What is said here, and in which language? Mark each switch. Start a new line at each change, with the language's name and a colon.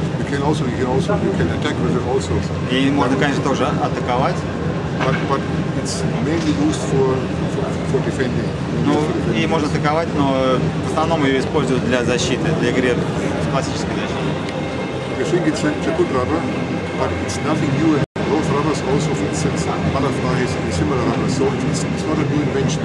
English: You can attack with it also.
Russian: И можно, конечно, тоже атаковать.
English: But it's mainly used for defending.
Russian: Ну, и можно атаковать, но в основном ее используют для защиты, для игры в классической защите.
English: You think it's a good rubber, but it's nothing new. Both rubbers also fit since butterflies and similar rubbers. So it's not a new invention.